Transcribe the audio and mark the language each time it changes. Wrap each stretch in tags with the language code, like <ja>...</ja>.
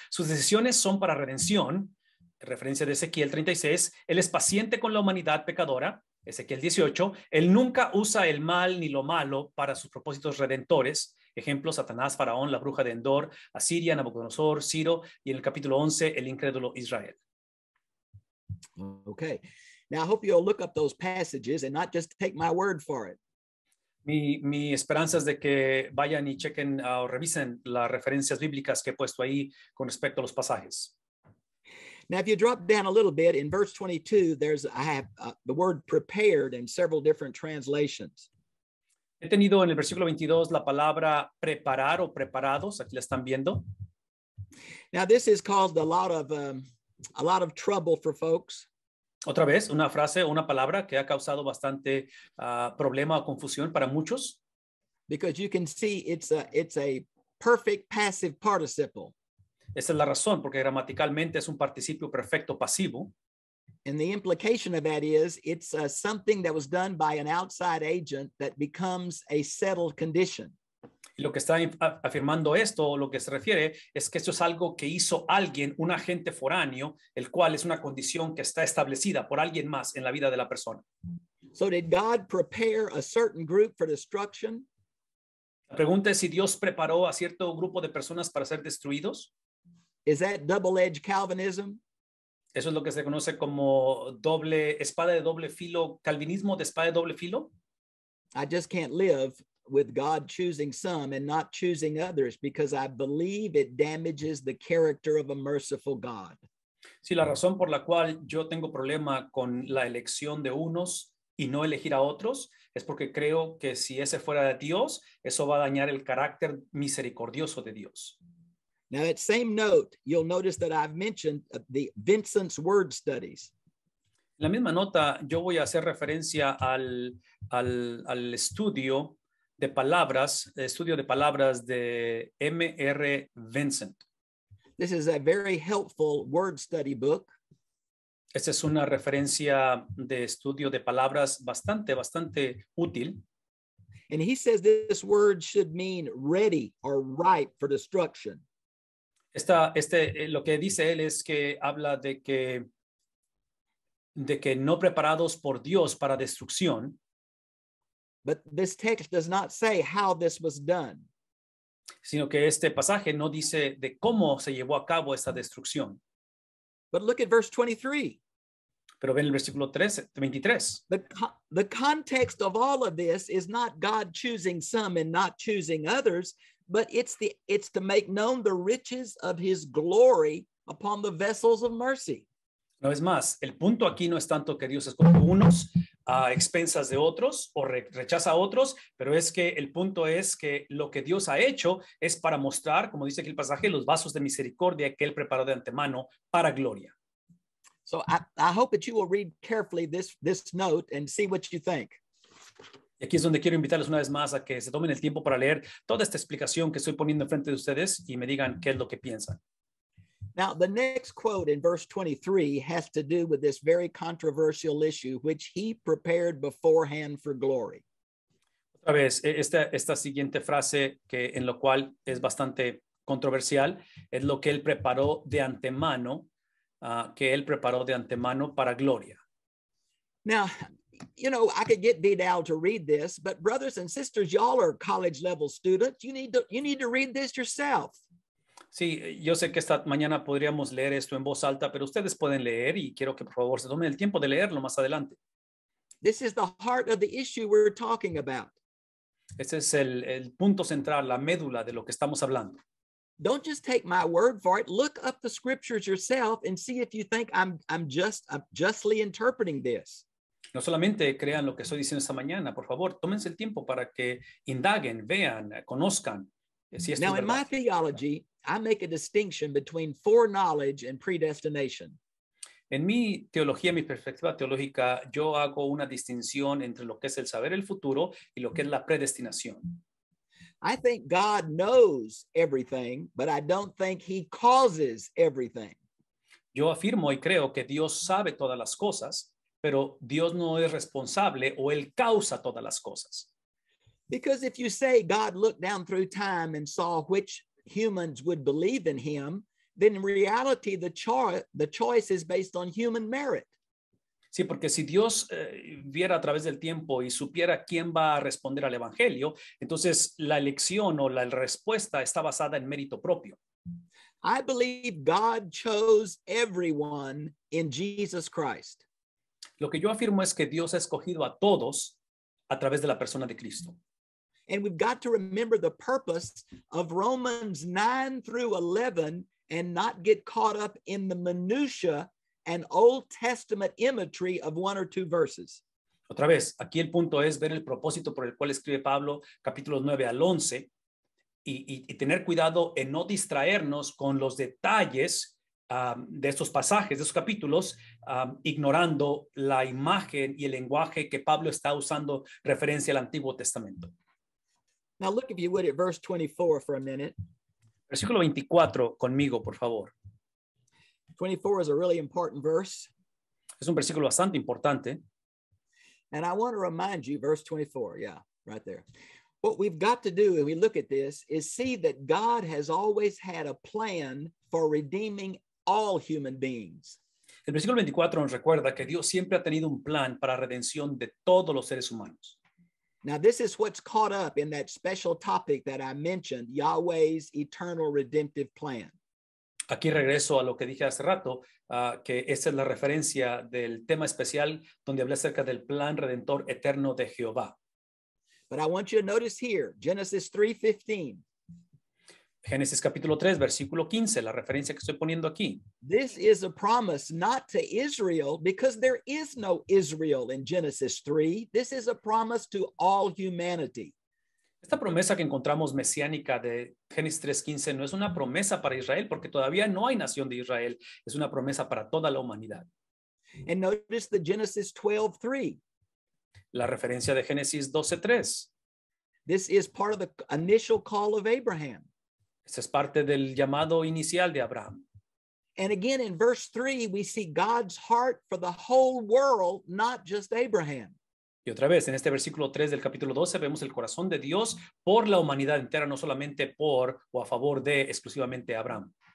<es>Sus decisiones son para redención, referencia de Ezequiel 36. Él es paciente con la humanidad pecadora, Ezequiel 18. Él nunca usa el mal ni lo malo para sus propósitos redentores. Ejemplo, Satanás, Faraón, la bruja de Endor, Asiria, Nabucodonosor, Ciro, y en el capítulo 11, el incrédulo Israel.</es> <en>Okay. Now I hope you'll look up those passages and not just take my word for it.</en> <es>Mi esperanza es de que vayan y chequen o revisen las referencias bíblicas que he puesto ahí con respecto a los pasajes.</es> <en>Now, if you drop down a little bit, in verse 22, I have the word prepared in several different translations.</en> <es>He tenido en el versículo 22 la palabra preparar o preparados. Aquí la están viendo.</es> <en>Now, this has caused a lot of trouble for folks.</en> <es>Otra vez, una frase o una palabra que ha causado bastante problema o confusión para muchos.</es> <en>Because you can see it's a perfect passive participle.</en> <es>Esa es la razón, porque gramaticalmente es un participio perfecto pasivo.</es> <en>And the implication of that is it's something that was done by an outside agent that becomes a settled condition.</en> <es>Lo que está afirmando esto, lo que se refiere, es que esto es algo que hizo alguien, un agente foráneo, el cual es una condición que está establecida por alguien más en la vida de la persona.</es> <en>So did God prepare a certain group for destruction?</en> <es>La pregunta es si Dios preparó a cierto grupo de personas para ser destruidos.</es> <en>Is that double-edged Calvinism?</en> <es>Eso es lo que se conoce como calvinismo de espada de doble filo.</es> <en>I just can't live with God choosing some and not choosing others because I believe it damages the character of a merciful God.</en> <es>Sí, la razón por la cual yo tengo problema con la elección de unos y no elegir a otros es porque creo que si ese fuera de Dios, eso va a dañar el carácter misericordioso de Dios.</es> <en>Now that same note, you'll notice that I've mentioned the Vincent's word studies.</en> <es>La misma nota, yo voy a hacer referencia al estudio de palabras, el estudio de palabras de M.R. Vincent.</es> <en>This is a very helpful word study book.</en> <es>Esta es una referencia de estudio de palabras bastante, bastante útil.</es> <en>And he says this word should mean ready or ripe for destruction.</en> <es>Lo que dice él es que habla de que no preparados por Dios para destrucción.</es> <en>But this text does not say how this was done.</en> <es>Sino que este pasaje no dice de cómo se llevó a cabo esta destrucción.</es> <en>But look at verse 23.</en> <es>Pero ven el versículo 23.</es> <en>The context of all of this is not God choosing some and not choosing others, but it's to make known the riches of his glory upon the vessels of mercy.</en> <es>No es más, el punto aquí no es tanto que Dios escoge unos a expensas de otros o rechaza a otros, pero es que el punto es que lo que Dios ha hecho es para mostrar, como dice aquí el pasaje, los vasos de misericordia que él preparó de antemano para gloria.</es> <en>So I hope that you will read carefully this note and see what you think.</en> <es>Y aquí es donde quiero invitarles una vez más a que se tomen el tiempo para leer toda esta explicación que estoy poniendo enfrente de ustedes y me digan qué es lo que piensan.</es> <en>Now, the next quote in verse 23 has to do with this very controversial issue, which he prepared beforehand for glory.</en> <es>Otra vez, esta siguiente frase, que en lo cual es bastante controversial, es lo que él preparó de antemano, que él preparó de antemano para gloria.</es> <en>Now, you know, I could get Vidal to read this, but brothers and sisters, y'all are college level students. You need to read this yourself.</en> <es>Sí, yo sé que esta mañana podríamos leer esto en voz alta, pero ustedes pueden leer y quiero que por favor se tomen el tiempo de leerlo más adelante.</es> <en>This is the heart of the issue we're talking about.</en> <es>Este es el punto central, la médula de lo que estamos hablando.</es> <en>Don't just take my word for it. Look up the scriptures yourself and see if you think I'm justly interpreting this.</en> <es>No solamente crean lo que estoy diciendo esta mañana, por favor, tómense el tiempo para que indaguen, vean, conozcan.</es> <en>Now, in my theology, I make a distinction between foreknowledge and predestination.</en> <es>En mi teología, mi perspectiva teológica, yo hago una distinción entre lo que es el saber el futuro y lo que es la predestinación.</es> <en>I think God knows everything, but I don't think he causes everything.</en> <es>Yo afirmo y creo que Dios sabe todas las cosas, pero Dios no es responsable o él causa todas las cosas.</es> <en>Because if you say God looked down through time and saw which humans would believe in him, then in reality the choice is based on human merit.</en> <es>Sí, porque si Dios viera a través del tiempo y supiera quién va a responder al evangelio, entonces la elección o la respuesta está basada en mérito propio.</es> <en>I believe God chose everyone in Jesus Christ.</en> <es>Lo que yo afirmo es que Dios ha escogido a todos a través de la persona de Cristo.</es> <en>And we've got to remember the purpose of Romans 9 through 11 and not get caught up in the minutiae and Old Testament imagery of one or two verses.</en> <es>Otra vez, aquí el punto es ver el propósito por el cual escribe Pablo, capítulos 9 al 11, y tener cuidado en no distraernos con los detalles de estos pasajes, de esos capítulos, ignorando la imagen y el lenguaje que Pablo está usando referencia al Antiguo Testamento.</es> <en>Now look, if you would, at verse 24 for a minute.</en> <es>Versículo 24 conmigo, por favor.</es> <en>24 is a really important verse.</en> <es>Es un versículo bastante importante.</es> <en>And I want to remind you, verse 24, yeah, right there. What we've got to do when we look at this is see that God has always had a plan for redeeming all human beings.</en> <es>El versículo 24 nos recuerda que Dios siempre ha tenido un plan para redención de todos los seres humanos.</es> <en>Now, this is what's caught up in that special topic that I mentioned, Yahweh's eternal redemptive plan.</en> <es>Aquí regreso a lo que dije hace rato, que esta es la referencia del tema especial donde hablé acerca del plan redentor eterno de Jehová.</es> <en>But I want you to notice here, Genesis 3:15.</en> <es>Génesis capítulo 3, versículo 15, la referencia que estoy poniendo aquí.</es> <en>This is a promise not to Israel, because there is no Israel in Genesis 3. This is a promise to all humanity.</en> <es>Esta promesa que encontramos mesiánica de Génesis 3:15 no es una promesa para Israel, porque todavía no hay nación de Israel. Es una promesa para toda la humanidad.</es> <en>And notice the Genesis 12:3.</en> <es>La referencia de Génesis 12:3.</es> <en>This is part of the initial call of Abraham.</en> <es>Esa es parte del llamado inicial de Abraham.</es> <en>And again in verse 3 we see God's heart for the whole world, not just Abraham.</en> <es>Y otra vez en este versículo 3 del capítulo 12 vemos el corazón de Dios por la humanidad entera, no solamente por o a favor de exclusivamente Abraham.</es>